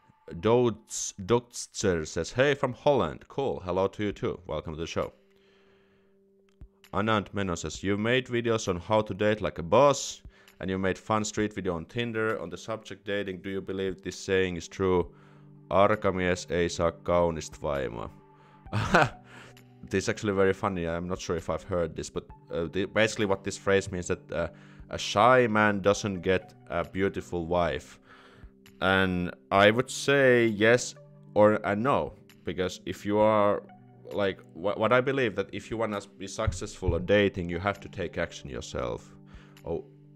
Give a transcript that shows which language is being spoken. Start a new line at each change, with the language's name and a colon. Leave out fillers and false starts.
English: Dotzer says, hey from Holland. Cool. Hello to you too. Welcome to the show. Anand Menon says, you made videos on how to date like a boss, and you made fun street video on Tinder on the subject dating. Do you believe this saying is true?
Finnish: Arkamies ei saa kaunista vaimoa.
English: This is actually very funny. I'm not sure if I've heard this, but basically what this phrase means is that a shy man doesn't get a beautiful wife. And I would say yes or no, because if you are... Like, what I believe that if you want to be successful at dating, you have to take action yourself. Oh.